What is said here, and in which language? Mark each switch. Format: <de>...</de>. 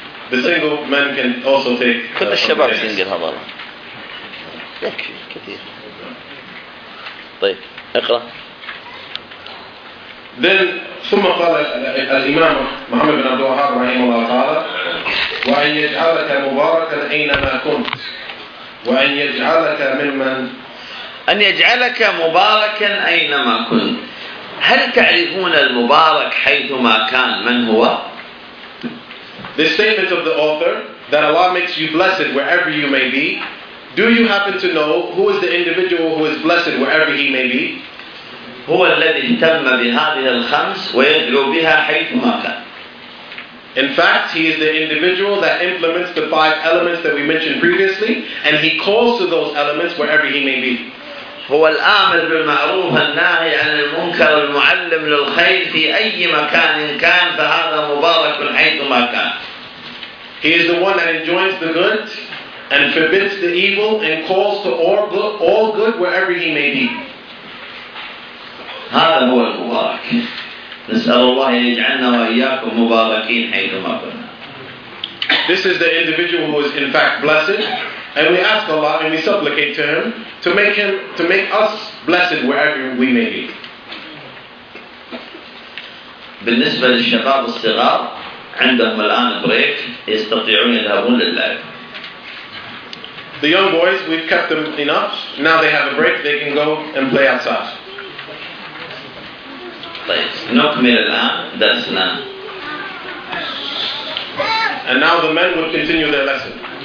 <en>The single men can also take.</en> <ar>كل الشباب single هذا والله. يكفي كثير. طيب اقرأ. Then ثم قال الإمام محمد بن عبد الوهاب رحمه الله تعالى وأن يجعلك مباركا أينما كنت وأن يجعلك ممن أن يجعلك مباركا أينما كنت. هل تعرفون المبارك حيثما كان من هو؟</ar> <en>The statement of the author that Allah makes you blessed wherever you may be. Do you happen to know who is the individual who is blessed wherever he may be?</en> <ar>هو الذي اهتم بهذه الخمس ويدعو بها حيثما كان.</ar> <en>In fact, he is the individual that implements the five elements that we mentioned previously, and he calls to those elements wherever he may be.</en> <ar>هو الآمر بالمعروف الناهي عن المنكر المعلم للخير في أي مكان إن كان فهذا مبارك حيثما كان.</ar> <en>He is the one that enjoins the good and forbids the evil and calls to all good wherever he may be.</en> <ar>هذا هو المبارك. نسأل الله يجعلنا وإياكم مباركين حيثما كنا.</ar> <en>This is the individual who is in fact blessed. And we ask Allah and we supplicate to Him to make us blessed wherever we may be.</en> <ar>بالنسبة للشباب الصغار عندهم الآن بريك يستطيعون يذهبون للعب.</ar> <en>The young boys, we've kept them enough. Now they have a break. They can go and play outside.</en> <ar>طيب نكمل الآن درسنا.</ar> <en>And now the men will continue their lesson.</en>